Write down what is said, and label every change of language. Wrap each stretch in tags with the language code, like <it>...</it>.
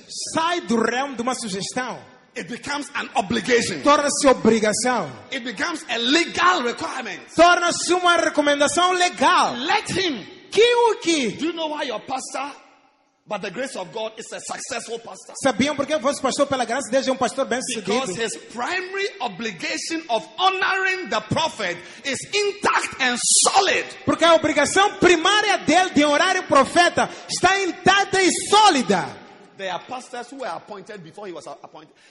<pt>Sai do realm de uma sugestão.</pt> <en>It becomes an obligation.</en> <pt>Torna-se obrigação.</pt> <en>It becomes a legal requirement.</en> <pt>Torna-se uma recomendação legal.</pt> <en>Let him.</en> <pt>Que o que?</pt> <en>Do you know why your pastor, by the grace of God, is a successful pastor?</en> <pt>Sabiam por que o vosso pastor, pela graça de Deus, é pastor bem sucedido?</pt> <en>Because his primary obligation of honoring the prophet is intact and solid.</en> <pt>Porque a obrigação primária dele de honrar o profeta está intacta e sólida.</pt> <en>There are pastors who were appointed before he was appointed.</en>